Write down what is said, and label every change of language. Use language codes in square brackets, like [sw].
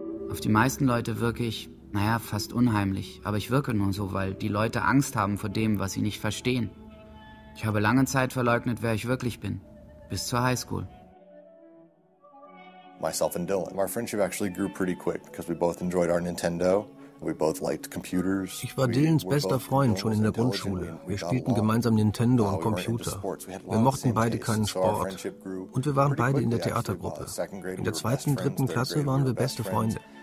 [de] Auf die meisten Leute wirke ich, naja, fast unheimlich, aber ich wirke nur so, weil die Leute Angst haben vor dem, was sie nicht verstehen. Ich habe lange Zeit verleugnet, wer ich wirklich bin, bis zur Highschool. [en] Myself and Dylan. Our friendship actually grew pretty quick because we both enjoyed our Nintendo [de] Ich war Dylans bester Freund schon in der Grundschule. Wir spielten gemeinsam Nintendo und Computer. Wir mochten beide keinen Sport. Und wir waren beide in der Theatergruppe. In der zweiten, dritten Klasse waren wir beste Freunde.